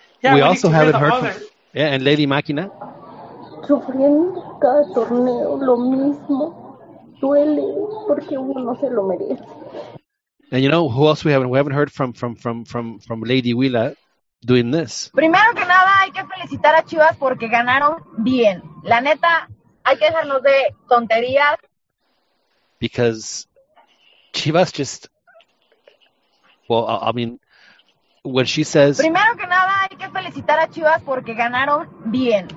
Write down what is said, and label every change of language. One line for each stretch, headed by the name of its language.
English: Yeah, we also haven't heard from, yeah, and Lady Máquina.
Spanish: Sufriendo cada torneo lo mismo, duele porque uno se lo merece.
English: And you know who else we haven't heard from Lady Willa doing this.
Spanish: Primero que nada, hay que felicitar a Chivas porque ganaron bien. La neta, hay que dejarnos de tonterías.
English: Because Chivas just, well, I mean, when she says,
Spanish: primero que nada, hay que felicitar a Chivas porque ganaron bien.